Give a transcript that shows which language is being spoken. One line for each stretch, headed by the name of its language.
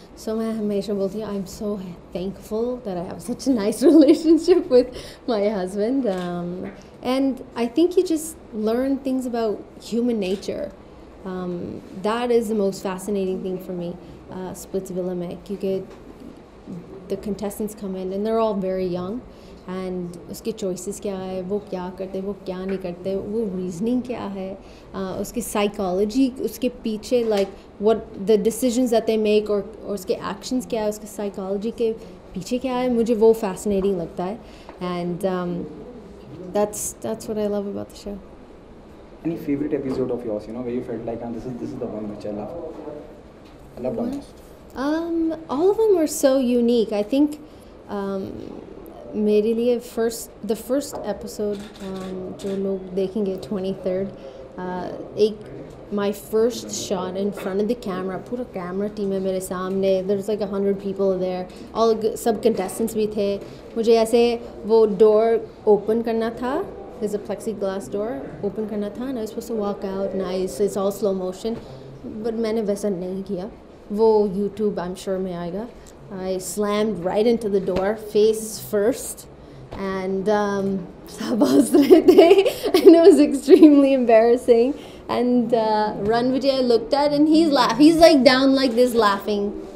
English: So I'm so thankful that I have such a nice relationship with my husband. And I think you just learn things about human nature. That is the most fascinating thing for me, Splitsvilla में. You get the contestants come in and they're all very young.
Hindi: And उसके choices क्या है, वो क्या करते, वो क्या नहीं करते, वो reasoning क्या है, उसके psychology, उसके पीछे,
English: like what the decisions that they make,
Hindi: or उसके actions क्या है, उसके psychology के पीछे क्या है, मुझे वो fascinating लगता है.
English: And that's what I love about the show. Any favorite episode of yours, you know, where you felt like, this is the one which I loved the most? All of them were so unique. I think
Hindi: मेरे लिए
English: the first episode
Hindi: जो लोग देखेंगे
English: 23rd my first shot in front of the camera,
Hindi: पूरा camera team है मेरे सामने,
English: there's like 100 people there,
Hindi: सब contestants भी थे. मुझे ऐसे वो
English: door
Hindi: ओपन करना था,
English: there's a plexiglass door open करना था, and I was supposed to walk out nice, it's all slow motion, but
Hindi: मैंने वैसा नहीं किया. वो YouTube
English: I'm sure
Hindi: में आएगा.
English: I slammed right into the door, face first, and and it was extremely embarrassing. And Ranvijay I looked at, and he's like down like this, laughing.